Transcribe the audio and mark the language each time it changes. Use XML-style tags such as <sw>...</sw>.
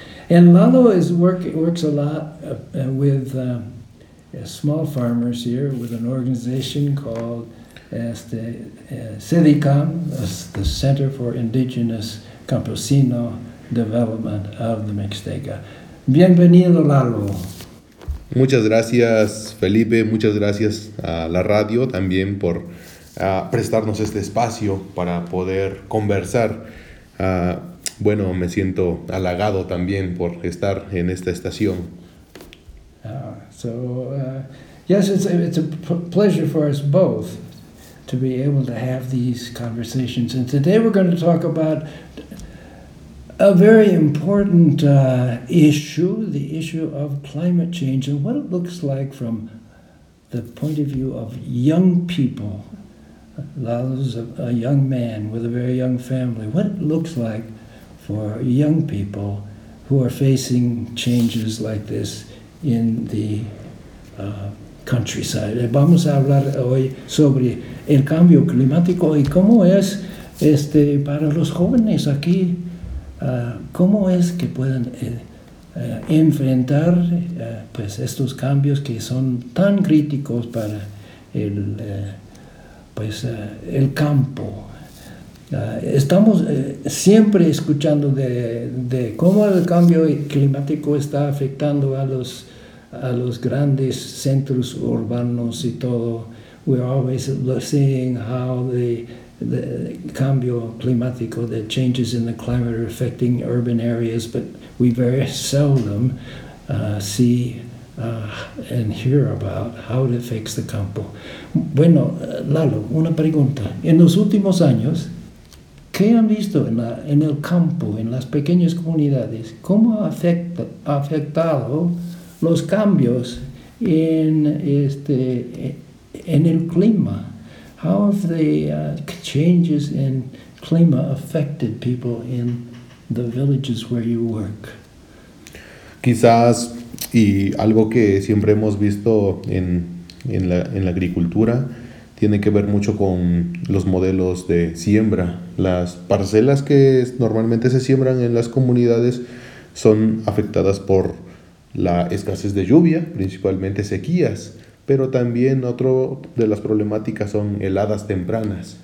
<en>And Lalo works a lot with small farmers here with an organization called CEDICAM, the Center for Indigenous Campesino Development of the Mixteca.</en> <es>Bienvenido, Lalo. Muchas gracias, Felipe. Muchas gracias a la radio también por prestarnos este espacio para poder conversar. Bueno, me siento halagado también por estar en esta estación.</es> <en>Yes, it's a pleasure for us both to be able to have these conversations. And today we're going to talk about a very important issue, the issue of climate change and what it looks like from the point of view of young people. Lalo's a young man with a very young family. What it looks like for young people who are facing changes like this in the countryside.</en> <es>Vamos a hablar hoy sobre el cambio climático y cómo es para los jóvenes aquí, cómo es que pueden enfrentar pues estos cambios que son tan críticos para el campo. Estamos siempre escuchando de cómo el cambio climático está afectando a los grandes centros urbanos y todo.</es> <en>We're always seeing how the</en> <es>cambio climático,</es> <en>the changes in the climate are affecting urban areas, but we very seldom see and hear about how it affects the campo.</en> <es>Bueno, Lalo, una pregunta. En los últimos años, ¿qué han visto en el campo, en las pequeñas comunidades? ¿Cómo ha afectado los cambios en el clima?</es> <en>How have the changes in clima affected people in the villages where you work?</en> <es>Quizás, y algo que siempre hemos visto en la agricultura, tiene que ver mucho con los modelos de siembra. Las parcelas que normalmente se siembran en las comunidades son afectadas por la escasez de lluvia, principalmente sequías, pero también otro de las problemáticas son heladas tempranas.</es>